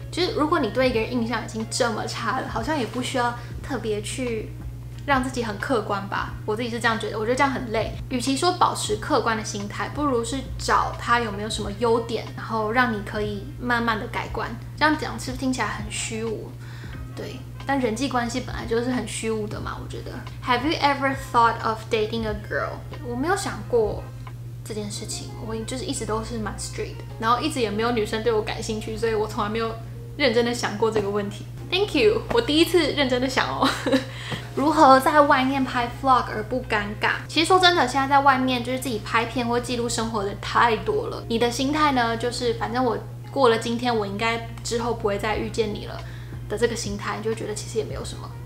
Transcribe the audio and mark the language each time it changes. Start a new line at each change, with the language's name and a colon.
Chinese: 就是如果你对一个人印象已经这么差了，好像也不需要特别去让自己很客观吧，我自己是这样觉得，我觉得这样很累。与其说保持客观的心态，不如是找他有没有什么优点，然后让你可以慢慢的改观。这样讲是不是听起来很虚无？对，但人际关系本来就是很虚无的嘛，我觉得。
English: Have you ever thought of dating a girl?
Chinese: 我没有想过这件事情，我就是一直都是蛮
English: straight，
Chinese: 然后一直也没有女生对我感兴趣，所以我从来没有认真的想过这个问题。
English: Thank you，
Chinese: 我第一次认真的想哦。如何在外面拍 vlog 而不尴尬？其实说真的，现在在外面就是自己拍片或记录生活的太多了。你的心态呢，就是反正我过了今天，我应该之后不会再遇见你了的这个心态，你就觉得其实也没有什么。